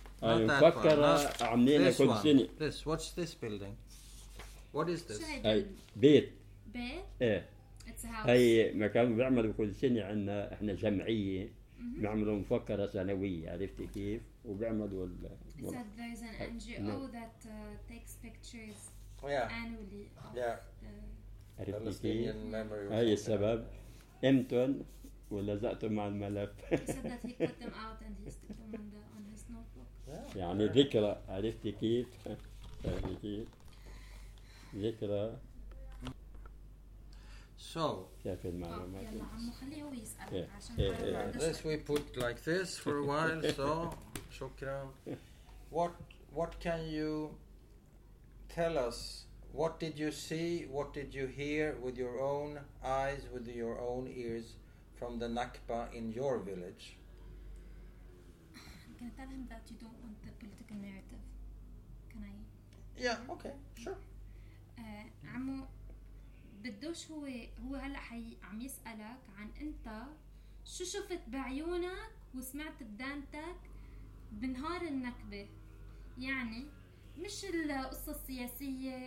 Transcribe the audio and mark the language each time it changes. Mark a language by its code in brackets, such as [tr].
[ar] أي مفكرة عاملينها كل سنة. [en] This, what's this building? What is this? [ar] أي بيت. بيت؟ إيه. [en] It's a house. [ar] هي مكان بيعملوا كل سنة عنا إحنا جمعية بيعملوا مفكرة سنوية، عرفتي كيف؟ وبيعملوا ال. [en] It's that there's an NGO that takes pictures annually. Yeah. [ar] عرفتي كيف؟ هي السبب. إمتون ولزقتهم مع الملف. [en] He said that he put them out and he stuck them on the. [ar] يعني ذكرى، عرفتي كيف؟ عرفتي كيف؟ ذكرى. [en] So. [ar] كيف المعلومات؟ يلا عمو خليه هو يسأل عشان. [en] This we put like this for a while. So. [ar] شكرا. [en] What can you tell us? What did you see? What did you hear with your own eyes, with your own ears, from the Nakba in your village? Can I tell him that you don't want the political narrative? Can I? Yeah, okay, sure. [ar] عمو بدوش هو هلا عم يسألك عن انت شو شفت بعيونك وسمعت بدانتك بنهار النكبة، يعني مش القصة السياسية،